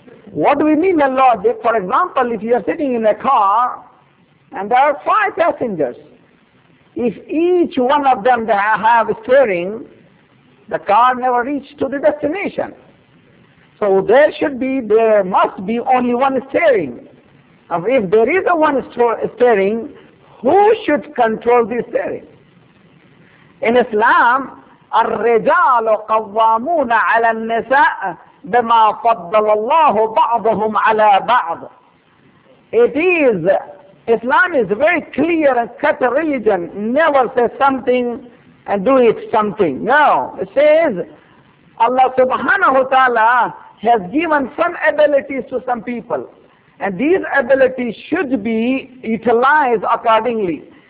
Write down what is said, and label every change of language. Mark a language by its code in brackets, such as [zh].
[en] What do we mean by logic? For example, if you are sitting in a car and there are 5 passengers, if each one of them have a steering, the car never reaches to the destination. So there must be only one steering. And if there is one steering, who should control the steering? In Islam, [ar] الرجال قوامون على النساء بما فضل الله بعضهم على بعض. [en] It is Islam is very clear and cut religion, never say something and do it something. No, it says Allah subhanahu wa ta'ala has given some abilities to some people, and these abilities should be utilized accordingly.